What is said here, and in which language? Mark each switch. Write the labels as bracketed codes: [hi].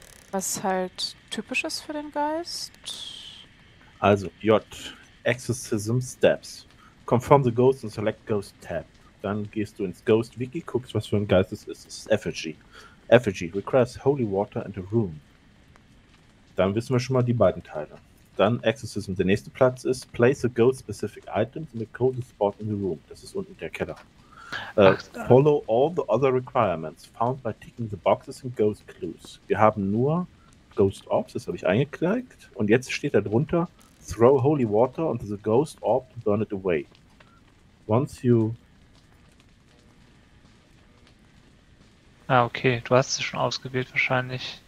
[de] Was halt typisch ist für den Geist. [en] Also, J. Exorcism Steps. Confirm the Ghost and select Ghost Tab. [de] Dann gehst du ins Ghost Wiki, guckst, was für ein Geist es ist. Es ist Effigy. [en] Effigy requires Holy Water and a Room. [de] Dann wissen wir schon mal die beiden Teile. Dann Exorcism. Der nächste Platz ist [en] Place a Ghost Specific Items in a Coded Spot in the Room. [de] Das ist unten der Keller. [en] Follow all the other requirements found by ticking the boxes and Ghost Clues. [de] Wir haben nur Ghost Orbs, das habe ich eingeklickt. Und jetzt steht da drunter [en] Throw holy water onto the ghost orb to burn it away. Once you... [de] Ah, okay. Du hast es schon ausgewählt wahrscheinlich.